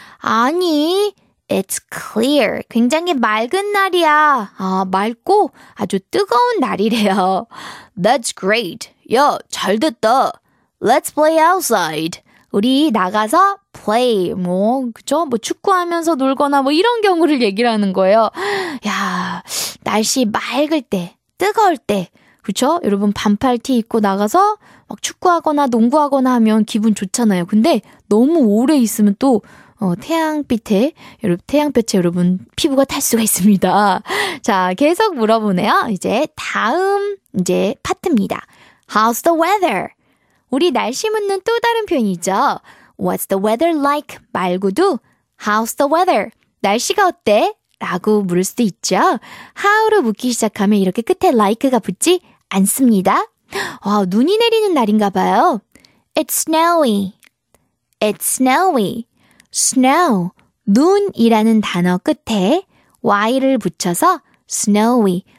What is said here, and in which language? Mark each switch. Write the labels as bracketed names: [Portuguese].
[Korean] 아니, [English] it's clear. [Korean] 굉장히 맑은 날이야. 아, 맑고 아주 뜨거운 날이래요. [English] That's great. [Korean] 야, 잘 됐다. [English] Let's play outside. [Korean] 우리 나가서 play. 뭐, 그죠? 뭐 축구하면서 놀거나 뭐 이런 경우를 얘기를 하는 거예요. 야, 날씨 맑을 때, 뜨거울 때. 그쵸? 여러분 반팔 티 입고 나가서 막 축구하거나 농구하거나 하면 기분 좋잖아요. 근데 너무 오래 있으면 또 태양빛에 여러분 태양볕에 여러분 피부가 탈 수가 있습니다. 자, 계속 물어보네요. 이제 다음 이제 파트입니다. [English] How's the weather? [Korean] 우리 날씨 묻는 또 다른 표현이죠. [English] What's the weather like? [Korean] 말고도 [English] How's the weather? [Korean] 날씨가 어때? 라고 물을 수도 있죠. How로 묻기 시작하면 이렇게 끝에 like가 붙지 않습니다. 와, 눈이 내리는 날인가 봐요. [English] It's snowy. It's snowy. Snow. [Korean] 눈이라는 단어 끝에 y를 붙여서 snowy.